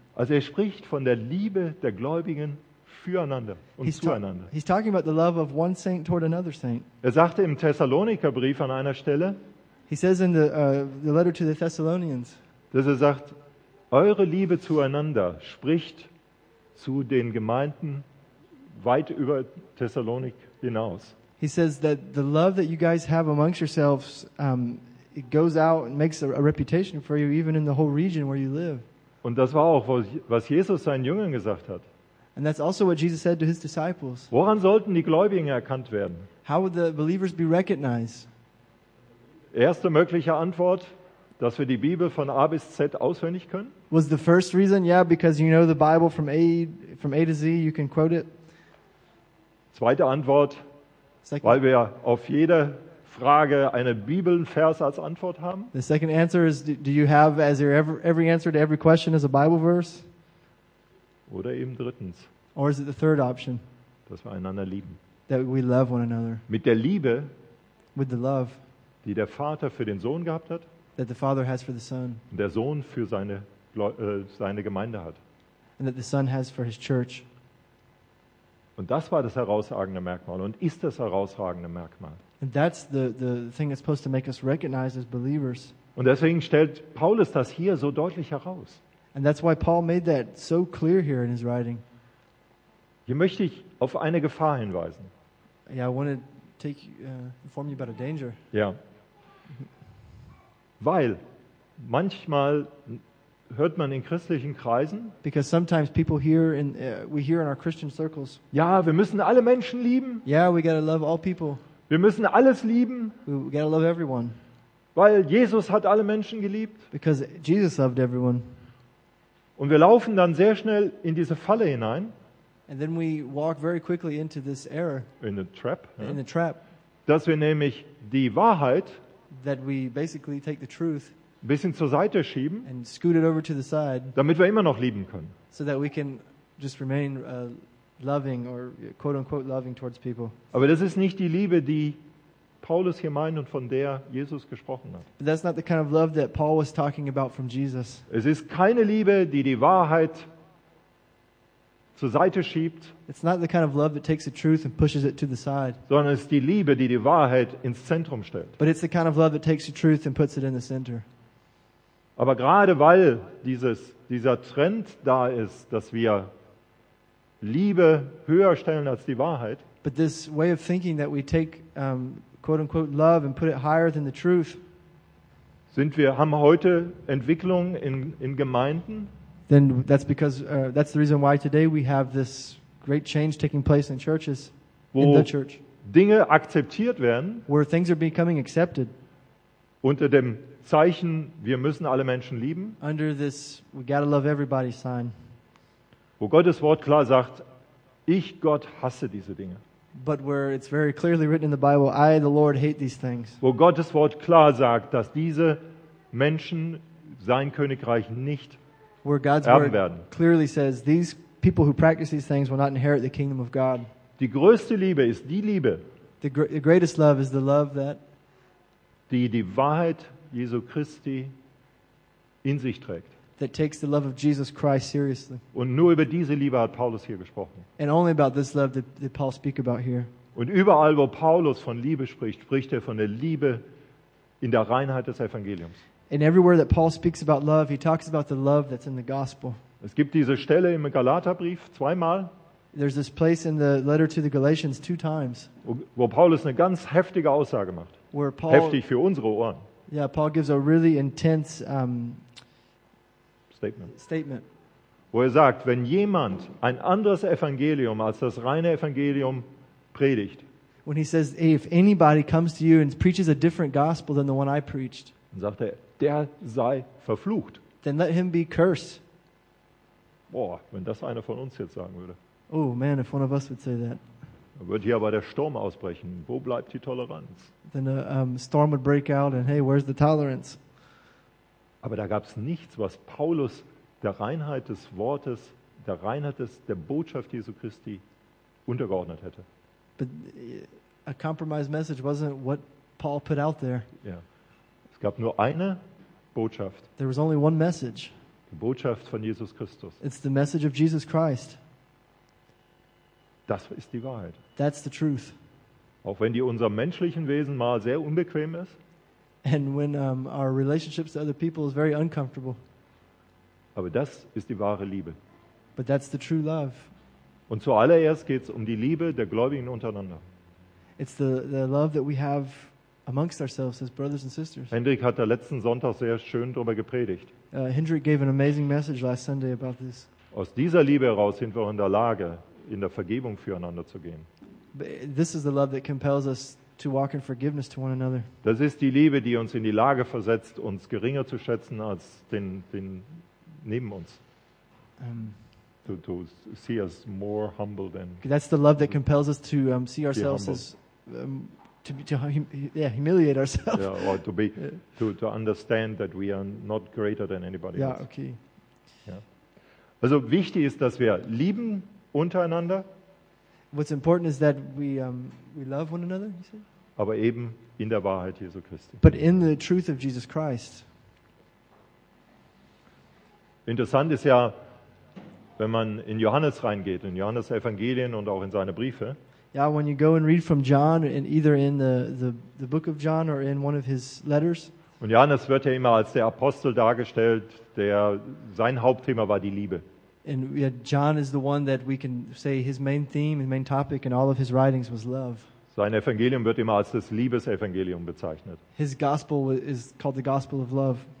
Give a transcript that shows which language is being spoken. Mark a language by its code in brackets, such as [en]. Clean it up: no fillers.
[de] Also er spricht von der Liebe der Gläubigen füreinander und zueinander. [en] He's talking about the love of one saint toward another saint. [de] Er sagte im Thessalonikerbrief an einer Stelle, [en] he says in the letter to the Thessalonians, [de] dass er sagt, eure Liebe zueinander spricht zu den Gemeinden weit über Thessalonik hinaus. [en] He says that the love that you guys have amongst yourselves, it goes out and makes a reputation for you even in the whole region where you live. [de] Und das war auch, was Jesus seinen Jüngern gesagt hat. [en] And that's also what Jesus said to his disciples. [de] Woran sollten die Gläubigen erkannt werden? [en] How would the believers be recognized? [de] Erste mögliche Antwort, dass wir die Bibel von A bis Z auswendig können? [en] Was the first reason? Yeah, because you know the Bible from A to Z, you can quote it. [de] Zweite Antwort, [en] second, [de] weil wir auf jede Frage einen Bibelvers als Antwort haben. [en] The second answer is, do you have as your every answer to every question is a Bible verse? [de] Oder eben drittens. [en] Or is it the third option? [de] Dass wir einander lieben. [en] That we love one another. [de] Mit der Liebe, [en] with the love, [de] die der Vater für den Sohn gehabt hat, [en] that the Father has for the Son, [de] und der Sohn für seine Gemeinde hat, [en] and that the Son has for his church. [de] Und das war das herausragende Merkmal und ist das herausragende Merkmal. [en] And that's the thing that's supposed to make us recognize as believers. [de] Und deswegen stellt Paulus das hier so deutlich heraus. [en] And that's why Paul made that so clear here in his writing. [de] Hier möchte ich auf eine Gefahr hinweisen. [en] Yeah, I want to take inform you about a danger. [de] Ja. Weil manchmal hört man in christlichen Kreisen, [en] because sometimes people hear we hear in our Christian circles. [de] Ja, wir müssen alle Menschen lieben. [en] Yeah, we gotta love all people. [de] Wir müssen alles lieben. [en] We gotta love everyone. [de] Weil Jesus hat alle Menschen geliebt. [en] Because Jesus loved everyone. [de] Und wir laufen dann sehr schnell in diese Falle hinein. [en] And then we walk very quickly into this error. In the trap. In the trap. [de] Dass wir nämlich die Wahrheit, [en] that we basically take the truth, [de] ein bisschen zur Seite schieben, [en] and scoot it over to the side, [de] damit wir immer noch lieben können. [en] So that we can just remain loving or quote unquote loving towards people. [de] Aber das ist nicht die Liebe, die Paulus hier meint und von der Jesus gesprochen hat. [en] But that's not the kind of love that Paul was talking about from Jesus. [de] Es ist keine Liebe, die die Wahrheit zur Seite schiebt. [en] It's not the kind of love that takes the truth and pushes it to the side. [de] Sondern es ist die Liebe, die die Wahrheit ins Zentrum stellt. [en] But it's the kind of love that takes the truth and puts it in the center. [de] Aber gerade weil dieser Trend da ist, dass wir Liebe höher stellen als die Wahrheit. [en] But this way of thinking that we take quote unquote love and put it higher than the truth. [de] Haben heute Entwicklung in Gemeinden. [en] Then that's because that's the reason why today we have this great change taking place in churches, [de] wo [en] in the church. [de] Dinge akzeptiert werden. [en] Where things are becoming accepted. [de] Unter dem Zeichen, wir müssen alle Menschen lieben. [en] Under this, we gotta love everybody sign. [de] Wo Gottes Wort klar sagt, ich, Gott, hasse diese Dinge. [en] But where it's very clearly written in the Bible, I, the Lord, hate these things. [de] Wo Gottes Wort klar sagt, dass diese Menschen sein Königreich nicht [en] where God's [de] erben [en] word [de] werden. [en] Clearly says, these people who practice these things will not inherit the kingdom of God. [de] Die größte Liebe ist die Liebe, [en] the greatest love is the love that [de] die Wahrheit Jesu Christi in sich trägt. [en] That takes the love of Jesus Christ seriously. [de] Und nur über diese Liebe hat Paulus hier gesprochen. [en] And only about this love did Paul speak about here. [de] Und überall, wo Paulus von Liebe spricht, spricht er von der Liebe in der Reinheit des Evangeliums. [en] And everywhere that Paul speaks about love, he talks about the love that's in the gospel. [de] Es gibt diese Stelle im Galaterbrief zweimal. [en] There's this place in the letter to the Galatians two times. [de] Wo Paulus eine ganz heftige Aussage macht. [en] Where Paul, [de] heftig für unsere Ohren. [en] Yeah, Paul gives a really intense Statement. [de] Wo er sagt, wenn jemand ein anderes Evangelium als das reine Evangelium predigt. [en] When he says, hey, if anybody comes to you and preaches a different gospel than the one I preached. [de] Dann sagt er, der sei verflucht. [en] Then let him be cursed. [de] Boah, wenn das einer von uns jetzt sagen würde. [en] Oh man, if one of us would say that. [de] Wird hier aber der Sturm ausbrechen. Wo bleibt die Toleranz? [en] Then a storm would break out and hey, where's the tolerance? [de] Aber da gab es nichts, was Paulus der Reinheit des Wortes, der Reinheit des, der Botschaft Jesu Christi untergeordnet hätte. [en] But a compromised message wasn't what Paul put out there. [de] Ja. Es gab nur eine Botschaft. [en] There was only one message. [de] Die Botschaft von Jesus Christus. [en] It's the message of Jesus Christ. [de] Das ist die Wahrheit. [en] That's the truth. [de] Auch wenn die unserem menschlichen Wesen mal sehr unbequem ist. [en] And when our relationships to other people is very uncomfortable. [de] Aber das ist die wahre Liebe. [en] But that's the true love. [de] Und zuallererst geht es um die Liebe der Gläubigen untereinander. [en] It's the love that we have amongst ourselves as brothers and sisters. [de] Hendrik hat da letzten Sonntag sehr schön drüber gepredigt. [en] Hendrik gave an amazing message last Sunday about this. [de] Aus dieser Liebe heraus sind wir in der Lage, in der Vergebung füreinander zu gehen. [en] This is the love that compels us to walk in forgiveness to one another. [de] Das ist die Liebe, die uns in die Lage versetzt, uns geringer zu schätzen als den neben uns. [en] To see us more humble than. That's the love that compels us to see ourselves as humiliate ourselves. Yeah, or to understand that we are not greater than anybody else. Yeah, okay. [de] Yeah. Also wichtig ist, dass wir lieben untereinander. [en] What's important is that we love one another, you say? [de] Aber eben in der Wahrheit Jesu Christi. [en] But in the truth of Jesus Christ. [de] Interessant ist ja, wenn man in Johannes reingeht, in Johannes Evangelien und auch in seine Briefe. [en] Yeah, when you go and read from John, in either in the book of John or in one of his letters. [de] Und Johannes wird ja immer als der Apostel dargestellt, der sein Hauptthema war die Liebe. [en] And yet John is the one that we can say his main theme, his main topic in all of his writings was love. [de] Sein Evangelium wird immer als das Liebesevangelium bezeichnet. [en] His gospel is called the gospel of love.